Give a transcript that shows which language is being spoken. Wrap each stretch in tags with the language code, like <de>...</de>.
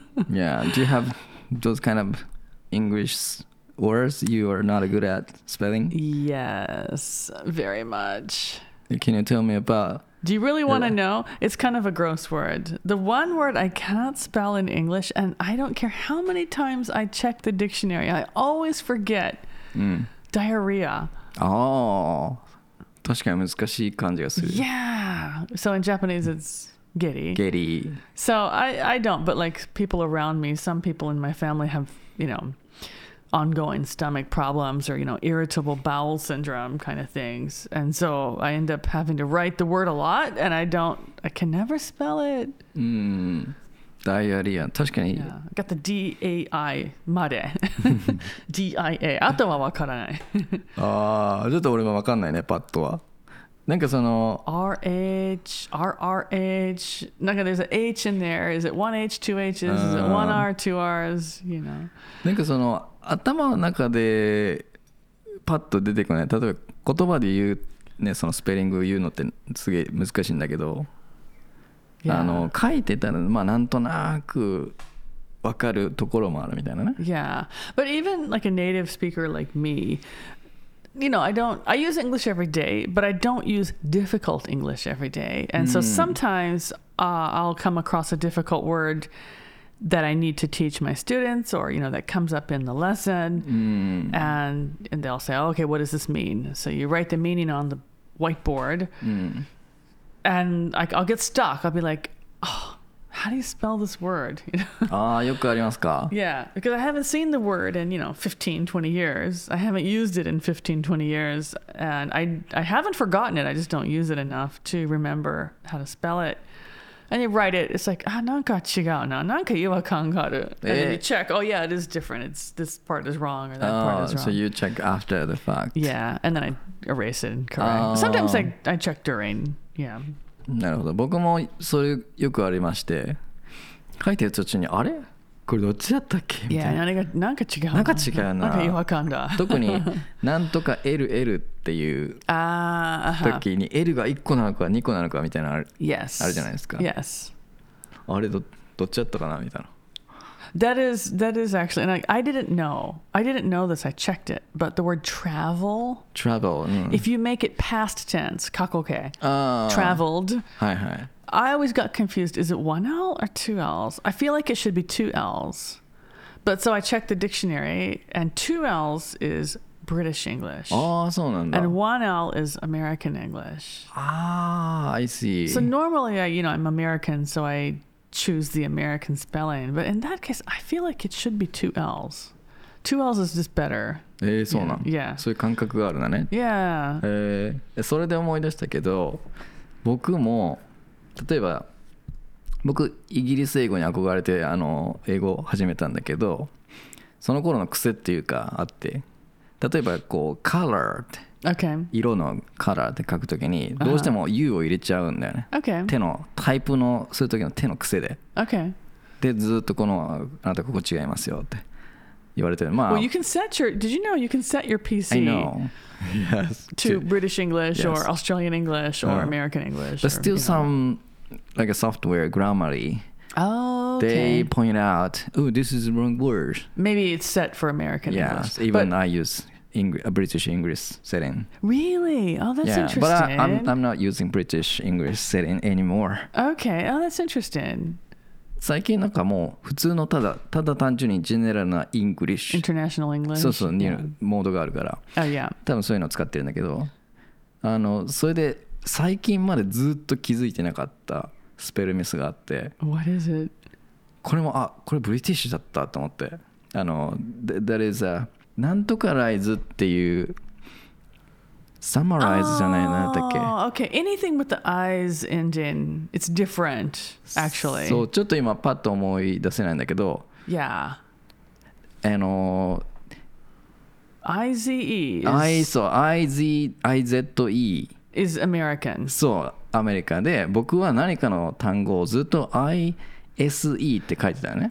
<en>Yeah, do you have those kind of EnglishWords you are not good at spelling? Yes, very much. Can you tell me about... Do you really want to know? It's kind of a gross word. The one word I cannot spell in English, and I don't care how many times I check the dictionary, I always forget. Diarrhea.</en> <ja>Oh, 確かに難しい感じがする。</ja> <en>Yeah. So in Japanese, it's... Giddy. So I don't, but like people around me, some people in my family have, you know, ongoing stomach problems or, you know, irritable bowel syndrome kind of things. And so I end up having to write the word a lot and I can never spell it. Diarrhea.</en> <ja>確かに。</ja> <en>Yeah. Got the D-A-I まで。D-I-A.</en> <ja>あとはわからない。ああ、ちょっと俺もわかんないね、パッとは。なんかその</ja> <en>RH RRH なんか there's an H in there. Is it 1H 2H is it 1R 2Rs you know.</en> <ja>なんかその頭の中でパッと出てこない、例えば言葉で言うね、そのスペリングを言うのってすげえ難しいんだけど、</ja> <en>yeah.</en> <ja>書いてたらまあなんとなく分かるところもあるみたいなね。</ja> <en>Yeah, but even like a native speaker like meYou know, I use English every day, but I don't use difficult English every day. And so sometimes I'll come across a difficult word that I need to teach my students or, you know, that comes up in the lesson. And they'll say, oh, okay, what does this mean? So you write the meaning on the whiteboard. And I'll get stuck. I'll be like, oh, how do you spell this word?</en> <ja>Ah, よくありますか?</ja> <en>Yeah, because I haven't seen the word in, you know, 15, 20 years. I haven't used it in 15, 20 years. And I haven't forgotten it. I just don't use it enough to remember how to spell it. And you write it. It's like, ah,</en> <ja>なんか違うな。なんか違和感がある。</ja> <en>And then you check. Oh, yeah, it is different. It's this part is wrong or that part is wrong. So you check after the fact. Yeah, and then I erase it and correct. Sometimes I check during, yeah.</en> <ja>なるほど。僕もそれよくありまして、書いてる途中にあれこれどっちだったっけみたいな、 yeah, 何か違うな、何か違うな、何か違和感だ。特になんとか LL っていう時に L が1個なのか2個なのかみたいなある、</ja> <en>yes.</en> <ja>あるじゃないですか、</ja> <en>yes.</en> <ja>あれどっちだったかなみたいな。</ja> <en>That is actually, and I didn't know this, I checked it, but the word travel、if you make it past tense, 過去形、traveled、</en> <ja>はいはい、</ja> <en>I always got confused, is it one L or two L's? I feel like it should be two L's, but so I checked the dictionary, and two L's is British English,</en> <ja>そうなんだ。</ja> <en>and one L is American English. I see. So normally, I'm American, so I choose the American spelling, but in that case, I feel like it should be two L's. Two L's is just better.</en> <ja>そうなん。</ja> <en>Yeah.</en> <ja>そういう感覚があるんだね。</ja> <en>Yeah.</en> <ja>それで思い出したけど、僕も例えば僕イギリス英語に憧れて英語を始めたんだけど、その頃の癖っていうかあって、例えばこう color って、</ja> <en>okay.</en> <ja>色の color って書くときにどうしても U を入れちゃうんだよね。</ja> <en>Okay.</en> <ja>手のタイプのする時の手の癖で。</ja> <en>Okay.</en> <ja>でずっとこのあなたここ違いますよって。言われてる。まあ、</ja> <en>well, you can set your, did you know you can set your PC? I know. Yes. To British English、yes. or Australian English or、American English. But still, or, some、know. Like a software, Grammarly. Oh, okay. They point out, oh, this is the wrong word. Maybe it's set for American yes, Yes, even I use a British English setting. Really? Oh, that's yeah, interesting. But I'm not using British English setting anymore. Okay. Oh, that's interesting.</en> <ja>最近なんかもう普通のただ単純にジェネラルなイングリッシュ、</ja> <en>international English、</en> <ja>そうそう、yeah. モードがあるから、</ja> <en>oh, yeah.</en> <ja>多分そういうのを使ってるんだけど、あのそれで最近までずっと気づいてなかったスペルミスがあって、</ja> <en>What is it?</en> <ja>これもあこれブリティッシュだったと思って、あの That is a なんとかライズっていうSummarize じゃないなんだっけ。</ja> <en>Oh, okay. Anything with the eyes ending, it's different, actually.</en> <ja>そう、ちょっと今パッと思い出せないんだけど。</ja> <en>Yeah. IZE. I so IZE is American.</en> <ja>そう、アメリカで僕は何かの単語をずっと ISE って書いてたよね。</ja>